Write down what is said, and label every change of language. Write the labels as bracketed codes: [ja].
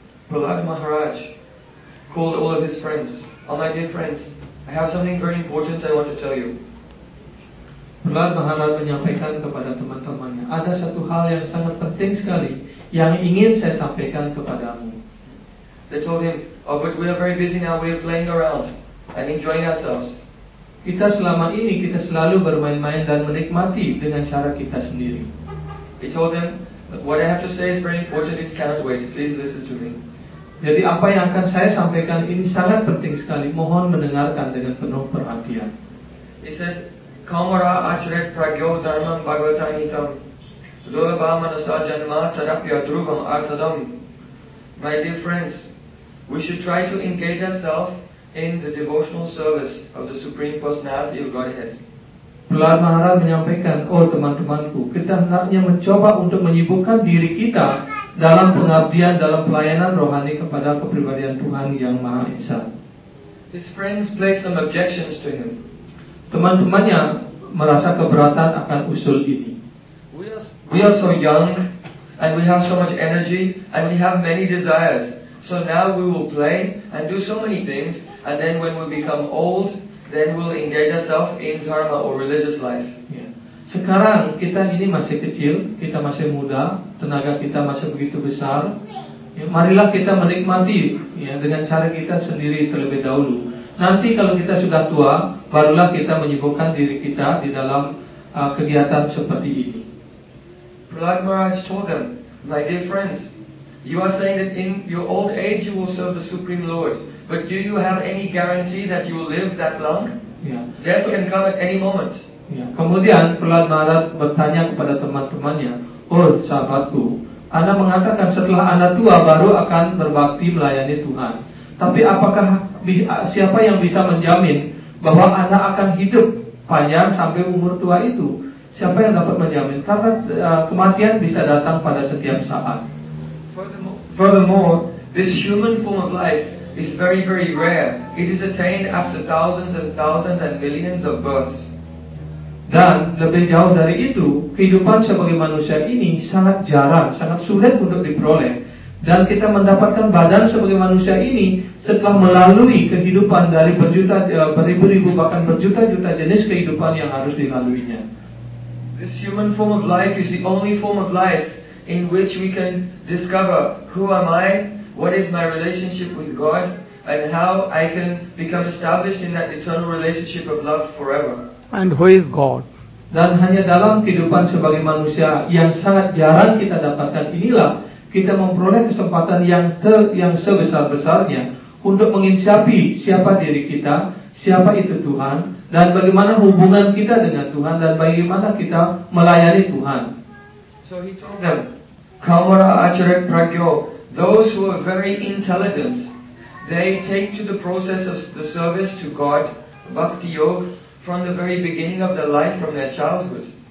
[en] Prahlad Maharaj called all of his friends. All my dear friends, I have something very important I want to tell you. [id] Prahlad Maharaj menyampaikan kepada teman-temannya, ada satu hal yang sangat penting sekali yang ingin saya sampaikan kepadamu. [en] They told him, oh, but we are very busy now, we are playing around and enjoying ourselves. [id] Kita selama ini, kita selalu bermain-main dan menikmati dengan cara kita sendiri. [en] They told him, what I have to say is very important, it cannot wait, please listen to me. [id] Jadi apa yang akan saya sampaikan ini sangat penting sekali, mohon mendengarkan dengan penuh perhatian. [sa] He said, Kamara acharet pragyo dharmam bhagavatanitam, dolabhamanasa janma tadapya dhruvam artadam. [en] My dear friends, we should try to engage ourselves in the devotional service of the Supreme Personality of Godhead. [id] Prahlad Maharaj menyampaikan, oh teman-temanku, kita hendaknya mencoba untuk menyibukkan diri kita dalam pengabdian, dalam pelayanan rohani kepada kepribadian Tuhan Yang Maha Esa. [en] His friends placed some objections to him. [id] Teman-temannya merasa keberatan akan usul ini. [en] We are so young, and we have so much energy, and we have many desires. So now we will play and do so many things, and then when we become old, then we'll engage ourselves in dharma or religious life. [id] Sekarang kita ini masih kecil, kita masih muda, tenaga kita masih begitu besar. Marilah kita menikmati dengan cara kita sendiri terlebih dahulu. Nanti kalau kita sudah tua, barulah kita menyibukkan diri kita di dalam kegiatan seperti ini. [en] Prahlad Maharaj told them, my dear friends, you are saying that in your old age you will serve the Supreme Lord, but do you have any guarantee that you will live that long? Death can come at any moment. [id] Kemudian Prahlad Maharaj bertanya kepada teman-temannya, oh sahabatku, Anda mengatakan setelah Anda tua baru akan berbakti melayani Tuhan, tapi apakah siapa yang bisa menjamin bahwa Anda akan hidup panjang sampai umur tua itu? Siapa yang dapat menjamin? Karena kematian bisa datang pada setiap saat. [en] Furthermore, this human form of life is very, very rare. It is attained after thousands and thousands and millions of births. [id] Dan lebih jauh dari itu, kehidupan sebagai manusia ini sangat jarang, sangat sulit untuk diperoleh. Dan kita mendapatkan badan sebagai manusia ini setelah melalui kehidupan dari berjuta, beribu-ribu, bahkan berjuta-juta jenis kehidupan yang harus dilaluinya. [en] This human form of life is the only form of life in which we can discover who am I, what is my relationship with God, and how I can become established in that eternal relationship of love forever. And who is God? [id] Dan hanya dalam kehidupan sebagai manusia yang sangat jarang kita dapatkan inilah kita memperoleh kesempatan yang sebesar-besarnya untuk menginsyafi siapa diri kita, siapa itu Tuhan, dan bagaimana hubungan kita dengan Tuhan, dan bagaimana kita melayani Tuhan. [en] So he told them, [sa] Kamara acharet pragyo, [en] those who are very intelligent, they take to the process of the service to God, bhakti yoga, from the very beginning of their life, from their childhood.